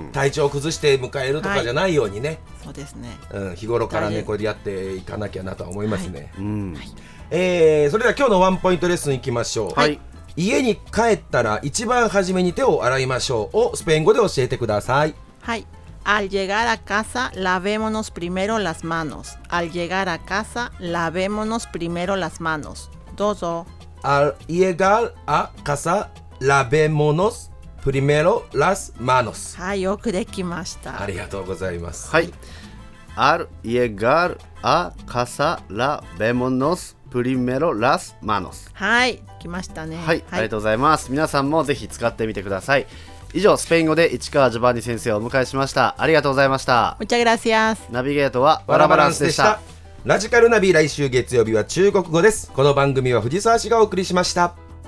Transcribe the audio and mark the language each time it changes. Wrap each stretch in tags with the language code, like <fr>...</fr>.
<ja>体調を崩して迎えるとかじゃないようにね、はい、そうですね、うん、日頃からね、これでやっていかなきゃなと思いますね、はい、うん、はい、それでは今日のワンポイントレッスンいきましょう、はい、家に帰ったら一番初めに手を洗いましょうをスペイン語で教えてください。</ja> <es>はい、Al llegar a casa, lavémonos primero las manos. Al llegar a casa, lavémonos primero las manos.</es> <ja>どうぞ。</ja> <es>Al llegar a casaLavémonos primero las manos.</es> <ja>はい、よくできました。ありがとうございます。はい。</ja> <es>Al llegar a casa, lavémonos primero las manos.</es> <ja>はい、来ましたね、はい。はい、ありがとうございます。皆さんもぜひ使ってみてください。以上、スペイン語で市川ジョバンニ先生をお迎えしました。ありがとうございました。</ja> <es>Muchas gracias。</es> <ja>ナビゲートはワラバランスでした。ラジカルナビ、来週月曜日は中国語です。この番組は藤沢氏がお送りしました。</ja>